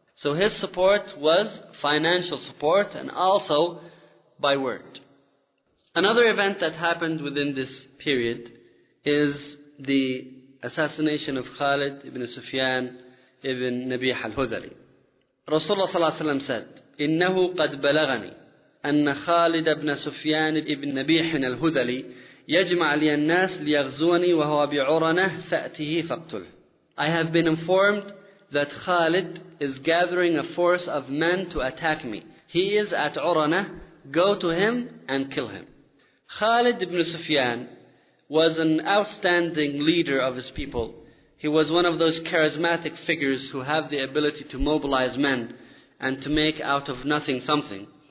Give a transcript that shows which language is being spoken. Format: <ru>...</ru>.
<en>So his support was financial support and also by word. Another event that happened within this period is the assassination of Khalid ibn Sufyan ibn Nabih al-Hudali.</en> <ar>Rasulullah صلى الله عليه وسلم</ar> <en>said,</en> <ar>إِنَّهُ قَدْ بَلَغَنِي أن خالد بن سفيان بن نبيح الهذلي يجمع لي الناس ليغزوني وهو بعرنة فأتيه فاقتله.</ar> <en>I have been informed that Khalid is gathering a force of men to attack me. He is at Urana. Go to him and kill him. Khalid ibn Sufyan was an outstanding leader of his people. He was one of those charismatic figures who have the ability to mobilize men and to make out of nothing something.</en>